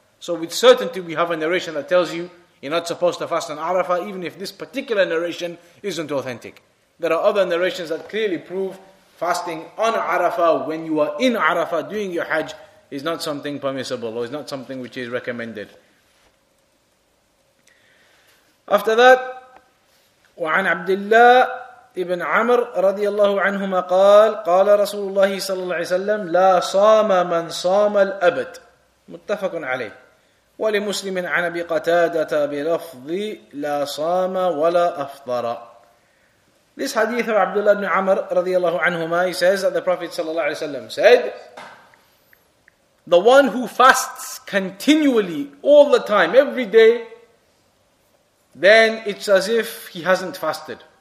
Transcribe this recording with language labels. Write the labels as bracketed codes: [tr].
[en] So with certainty we have a narration that tells you you're not supposed to fast on Arafah, even if this particular narration isn't authentic. There are other narrations that clearly prove fasting on Arafah, when you are in Arafah doing your Hajj, is not something permissible or is not something which is recommended. After that, [ar] وعن عبد الله ابن عمر رضي الله عنهما قال قال رسول الله صلى الله عليه وسلم لا صام من صام الأبد متفق عليه ولمسلم عن أبي قتادة بلفظ لا صام ولا أفطر. [en] This hadith of Abdullah ibn Amr radiallahu anhuma, he says that the Prophet sallallahu alayhi wa sallam said, the one who fasts continually, all the time, every day, then it's as if he hasn't fasted.